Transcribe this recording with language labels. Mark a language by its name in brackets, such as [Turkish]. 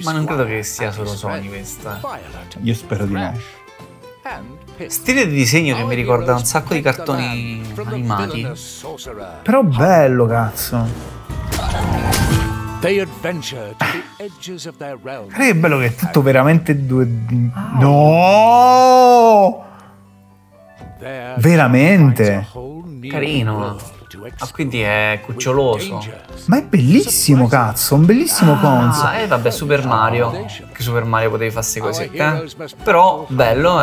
[Italian] Ma non credo che sia solo Sony questa. Io spero di no. Stile di disegno che mi ricorda un sacco di cartoni animati. Però bello, cazzo. [English] They adventure to the edges of their realm. [Italian] Guarda che bello che è tutto veramente due. No! Veramente? Carino. Ma quindi è cuccioloso. Ma è bellissimo, cazzo. Un bellissimo concept. Vabbè, Super Mario. Che Super Mario potevi farsi così, eh? Però bello.